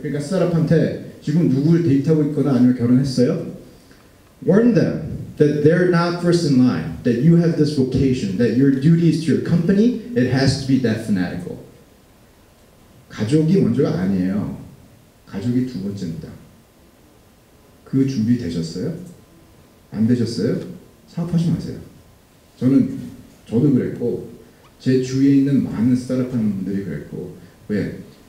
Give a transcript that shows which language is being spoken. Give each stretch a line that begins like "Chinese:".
Korean: 그러니까 스타트업한테 지금 누구를 데이트하고 있거나 아니면 결혼했어요?
English: Warn them that they're not first in line, that you have this vocation, that your duty is to your company, it has to be that fanatical.
Korean: 가족이 먼저가 아니에요. 가족이 두 번째입니다. 그 준비 되셨어요? 안 되셨어요? 사업하지 마세요. 저도 그랬고, 제 주위에 있는 많은 스타트업 하는 분들이 그랬고, 왜?